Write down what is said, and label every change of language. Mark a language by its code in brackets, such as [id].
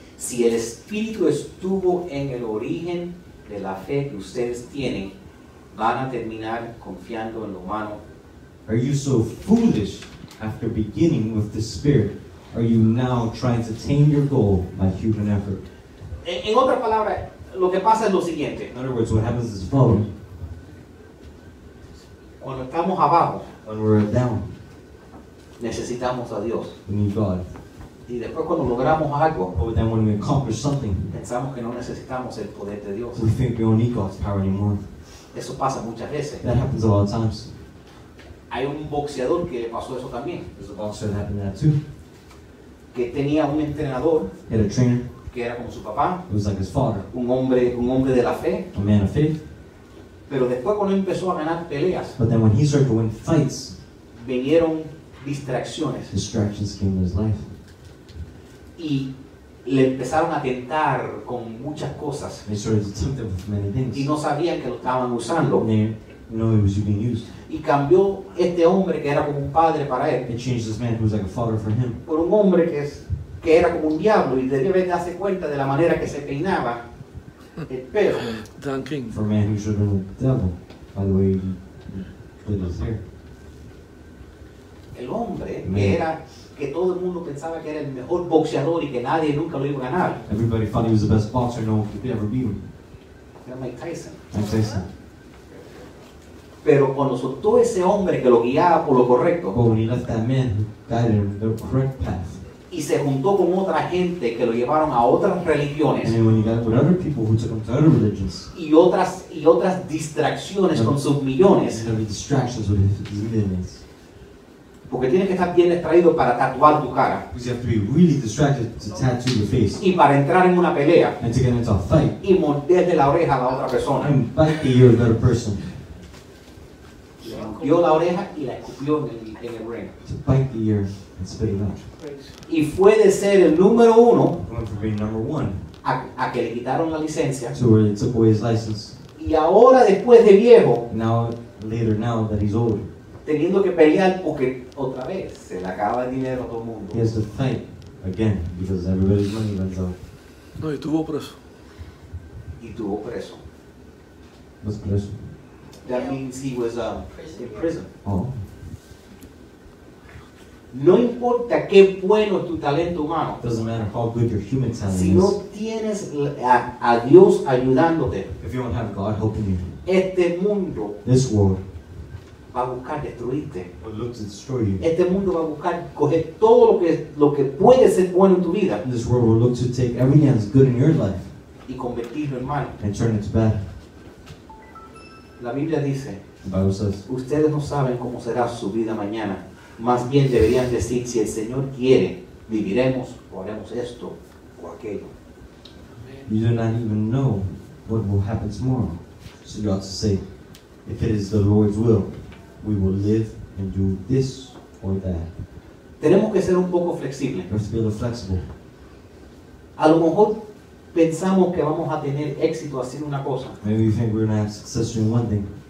[es] Si el espíritu estuvo en el origen de la fe que ustedes tienen, van a terminar confiando en lo humano. [en] Are you so foolish? After beginning with the spirit, are you now trying to tame your goal by human effort? [es] En otra palabra, lo que pasa es lo siguiente. [en] In other words, what happens is the following. [es] Cuando estamos abajo, [en] when we're down, [es] necesitamos a Dios. [en] We need God. [es] Y después cuando logramos algo, [en] but then when we accomplish something, [es] pensamos que no necesitamos el poder de Dios. [en] We think we don't need God's power anymore. [es] Eso pasa muchas veces. [en] That happens a lot of times. [es] Hay un boxeador que le pasó eso también. [en] There's a boxer that happened that too. [es] Que tenía un entrenador. [en] He had a trainer. [es] Que era como su papá. [en] It was like his father. [es] Un hombre de la fe. [en] A man of faith. [es] Pero después cuando empezó a ganar peleas, [en] but then when he started to win fights, [es] vinieron distracciones. [en] Distractions came in his life. [es] Y le empezaron a tentar con muchas cosas. [en] They started to tempt him with many things. [es] Y no sabían que lo estaban usando. [en] No, it was being used. [es] Y cambió este hombre que era como un padre para él. [en] It changed this man who was like a father for him. [es] Por un hombre que era como un diablo y debía darse cuenta de la manera que se peinaba. [en] Dunking. For a man who should have been a devil, by the way, he did his hair. [es] El hombre era que todo el mundo pensaba que era el mejor boxeador y que nadie nunca lo iba a ganar. [en] Everybody thought he was the best boxer, no one could ever beat him. [es] Era Mike Tyson. [en] Mike Tyson. [es] Pero cuando soltó ese hombre que lo guiaba por lo correcto, [en] but when he left that man who guided him the correct path, [es] y se juntó con otra gente que lo llevaron a otras religiones, [en] and then when he got with other people who took him to other religions, [es] y otras distracciones con sus millones, [en] and other distractions with his millions. [es] Porque tienes que estar bien distraído para tatuar tu cara. [en] Because you have to be really distracted to tattoo your face. [es] Y para entrar en una pelea. [en] And to get into a fight. [es] Y morderle la oreja a la otra persona. [en] And bite the ear of the other person. [es] Le rompió la oreja y la escupió en el ring. [en] To bite the ear and spit it out. [es] Y fue de ser el número uno. [en] Went from being number one. [es] A que le quitaron la licencia. [en] To where they took away his license. [es] Y ahora después de viejo. [en] Now that he's older. [es] Teniendo que pelear porque otra vez se le acaba el dinero a todo el mundo. [en] He has to fight again because everybody's money runs out. [es] No, y tuvo preso. Y tuvo preso. ¿Qué es preso? [en] That means he was in prison. Oh. [es] No importa qué bueno es tu talento humano. [en] It doesn't matter how good your human talent [es] is. Si no tienes a Dios ayudándote. [en] If you don't have God helping you. [es] Este mundo. [en] This world. [es] Va a buscar destruirte. [en] We'll look to destroy you. [es] Este mundo va a buscar coger todo lo que puede ser bueno en tu vida. [en] This world will look to take everything that's good in your life. [es] Y convertirlo en mal. [en] And turn it to bad. [es] La Biblia dice. [en] The Bible says. [es] Ustedes no saben cómo será su vida mañana. Más bien deberían decir, si el Señor quiere, viviremos o haremos esto o aquello. [en] You do not even know what will happen tomorrow. So you ought to say, if it is the Lord's will, we will live and do this or that. [es] Tenemos que ser un poco flexible. [en] We have to be a little flexible. [es] A lo mejor pensamos que vamos a tener éxito haciendo una cosa. [en] Maybe we think we're going to have success doing one thing.